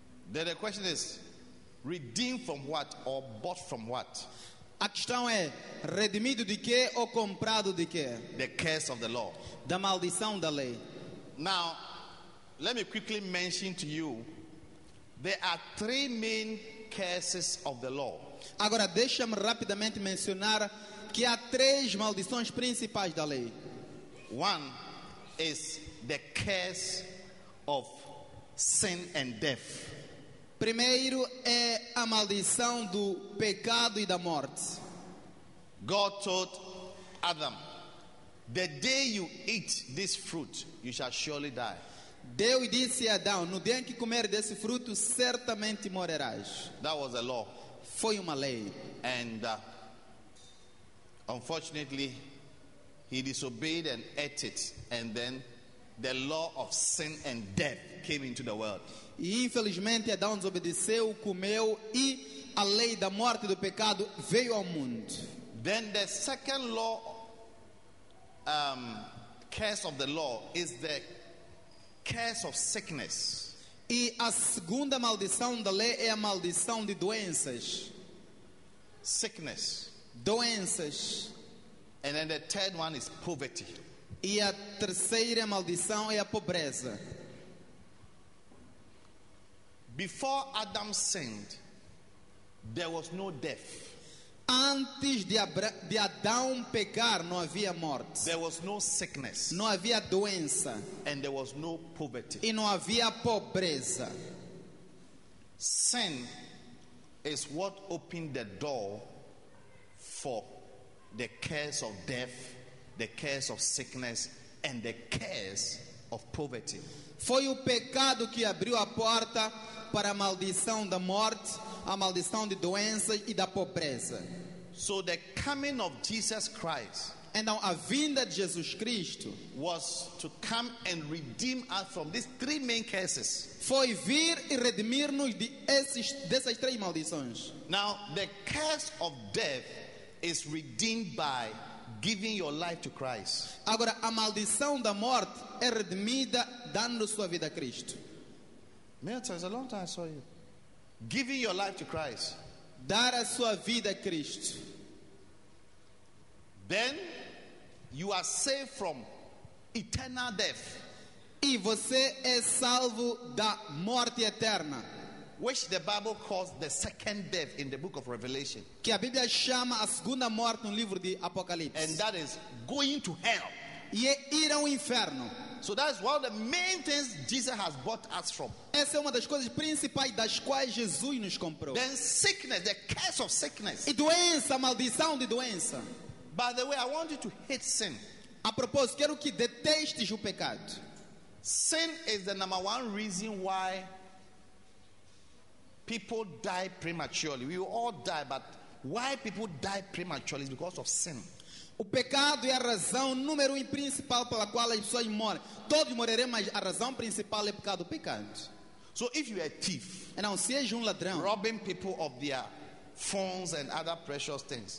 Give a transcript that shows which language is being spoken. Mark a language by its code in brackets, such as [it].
[en] Then the question is, redeemed from what or bought from what? [pt] A questão é, redimido de quê ou comprado de quê? [en] The curse of the law. [pt] Da maldição da lei. [en] Now, let me quickly mention to you, there are three main curses of the law. [pt] Agora, deixa-me rapidamente mencionar que há três maldições principais da lei. [en] One is the curse of sin and death. [pt] Primeiro é a maldição do pecado e da morte. [en] God told Adam, "The day you eat this fruit, you shall surely die." [pt] Deus disse a Adão, "No dia em que comer desse fruto, certamente morrerás." [en] That was a law. [pt] Foi uma lei. [en] And unfortunately, he disobeyed and ate it, and then the law of sin and death came into the world. [pt] E infelizmente Adão desobedeceu, comeu e a lei da morte e do pecado veio ao mundo. [en] Then the second law, curse of the law is the curse of sickness. [pt] E a segunda maldição da lei é a maldição de doenças. [en] Sickness. [pt] Doenças. [en] And then the third one is poverty. [pt] E a terceira maldição é a pobreza. [en] Before Adam sinned, there was no death. [pt] Antes de Adão pecar, não havia morte. [en] There was no sickness. [pt] Não havia doença. [en] And there was no poverty. [pt] E não havia pobreza. [en] Sin is what opened the door for the curse of death, the curse of sickness, and the curse of poverty. [pt] Foi o pecado que abriu a porta para a maldição da morte, a maldição de doença e da pobreza. [en] So the coming of Jesus Christ, [pt] então a vinda de Jesus Cristo, [en] was to come and redeem us from these three main curses. [pt] Foi vir e redimir-nos dessas três maldições. [en] Now the curse of death is redeemed by giving your life to Christ. [pt] Agora a maldição da morte é redimida dando sua vida a Cristo. [en] It's a long time I saw you. Giving your life to Christ. [pt] Dar a sua vida a Cristo. [en] Then you are saved from eternal death. [pt] E você é salvo da morte eterna. [en] Which the Bible calls the second death in the book of Revelation. [pt] Que a Bíblia chama a segunda morte no livro de Apocalipse. [en] And that is going to hell. [pt] E é ir ao inferno. [en] So that's one of the main things Jesus has bought us from. [pt] Essa é uma das coisas principais das quais Jesus nos comprou. [en] Then sickness, the curse of sickness. [pt] E doença, maldição de doença. [en] By the way, I want you to hate sin. [pt] A propósito, quero que detestes o pecado. [en] Sin is the number one reason why people die prematurely. We all die, but why people die prematurely is because of sin. [pt] O pecado é a razão número um principal pela qual as pessoas morrem. Todos morreremos, mas a razão principal é pecado, o pecado. [en] So if you are a thief, [pt] então, seja um ladrão, [en] robbing people of their phones and other precious things,